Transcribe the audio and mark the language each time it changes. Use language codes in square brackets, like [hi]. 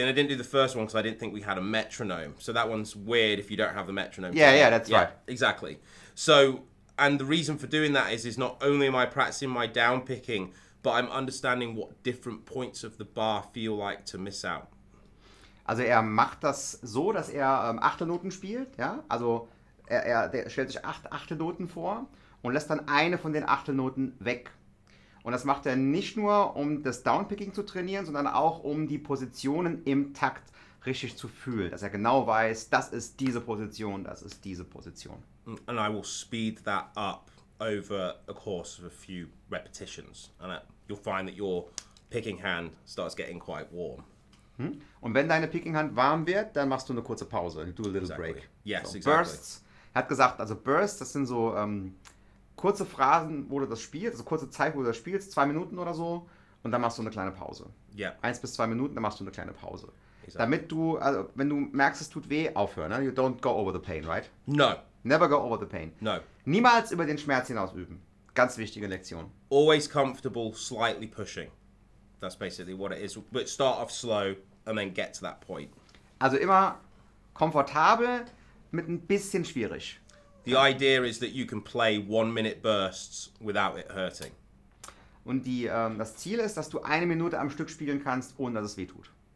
[en] And I didn't do the first one because I didn't think we had a metronome. So that one's weird if you don't have the metronome. Yeah, that's right. Exactly. So, and the reason for doing that is not only am I practicing my down picking, but I'm understanding what different points of the bar feel like to miss out. [de] Also er macht das so, dass er Achtelnoten spielt, ja? Also er stellt sich acht Achtelnoten vor und lässt dann eine von den Achtelnoten weg. Und das macht er nicht nur, um das Downpicking zu trainieren, sondern auch, um die Positionen im Takt richtig zu fühlen. Dass er genau weiß, das ist diese Position, das ist diese Position. [en] And I will speed that up over a course of a few repetitions. And you'll find that your picking hand starts getting quite warm. [de] Und wenn deine Picking-Hand warm wird, dann machst du eine kurze Pause. [en] Do a little break. Yes, so, exactly. [de] Bursts, er hat gesagt, also Bursts, das sind so kurze Phrasen, wo du das spielst, also kurze Zeit, wo du das spielst, 2 Minuten oder so, und dann machst du eine kleine Pause. [en] Yeah. [de] 1 bis 2 Minuten, dann machst du eine kleine Pause. Exactly. Damit du, also wenn du merkst, es tut weh, aufhören. [en] Ne? You don't go over the pain, right? No. Never go over the pain. No. [de] Niemals über den Schmerz hinaus üben. Ganz wichtige Lektion. [en] Always comfortable, slightly pushing. That's basically what it is. But start off slow and then get to that point. [de] Also immer komfortabel mit ein bisschen schwierig. [en] The idea is that you can play 1 minute bursts without it hurting. [de] Und die, das Ziel ist, dass du 1 Minute am Stück spielen kannst, ohne dass es weh tut.